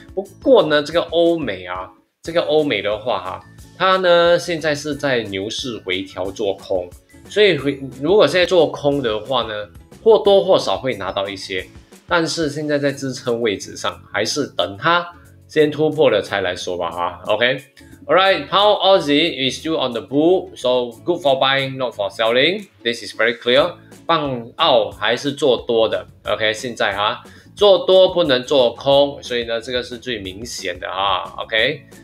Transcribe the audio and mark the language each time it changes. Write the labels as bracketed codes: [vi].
[zh] 不过呢，这个欧美的话哈，它呢现在是在牛市回调做空，所以如果现在做空的话呢，或多或少会拿到一些，但是现在在支撑位置上，还是等它先突破了才来说吧哈 ，OK。 [en] Alright, Pound Aussie is still on the bull, so good for buying, not for selling. This is very clear. [zh] 磅澳还是做多的 ，OK， 现在哈，做多不能做空，所以呢，这个是最明显的啊 ，OK。